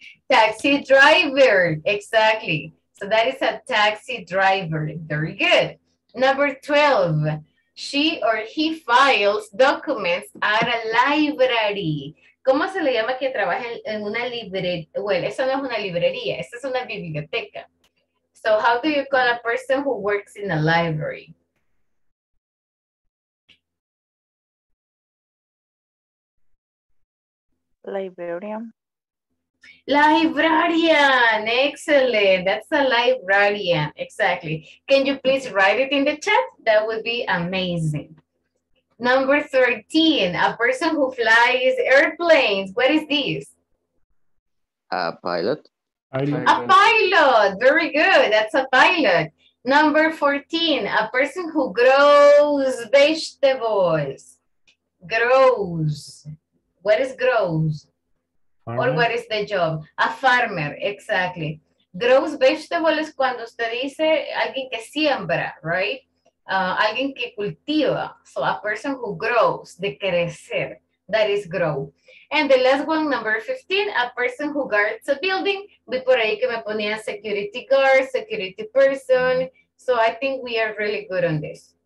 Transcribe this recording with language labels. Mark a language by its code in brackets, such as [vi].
[en] Taxi driver, exactly. So that is a taxi driver. Very good. Number 12, she or he files documents at a library. [es] ¿Cómo se le llama que trabaja en una librería? Well, eso no es una librería, eso es una biblioteca. [en] So how do you call a person who works in a library? Librarian. Librarian, excellent. That's a librarian, exactly. Can you please write it in the chat? That would be amazing. Number 13, a person who flies airplanes. What is this? A pilot. A pilot, very good. That's a pilot. Number 14, a person who grows vegetables. Grows. What is grows? Or what is the job? A farmer, exactly. Grows vegetables is [es] cuando usted dice alguien que siembra, right? Alguien que cultiva. [en] So a person who grows, [es] de crecer. [en] That is grow. And the last one, number 15, a person who guards a building. [es] Vi por ahí que me ponía [en] security guard, security person. So I think we are really good on this.